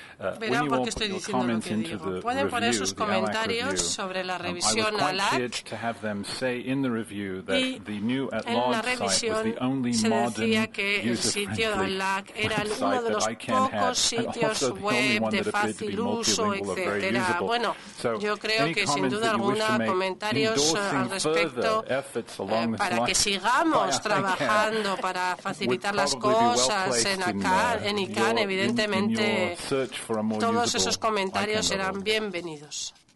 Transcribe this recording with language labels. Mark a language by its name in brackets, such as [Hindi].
[Spanish] Verán por qué estoy diciendo lo que digo. Pueden poner sus comentarios sobre la revisión ALAC. [English] I was quite pleased to have them say in the review that the new at large site was the only modern user-friendly website that I can have, and also the only one that appeared to be multilingual or very usable. [Spanish] Bueno, so yo creo que sin duda alguna comentarios al respecto para que sigamos trabajando para facilitar las cosas en ACA. En ICANN, evidentemente, todos esos comentarios serán bienvenidos.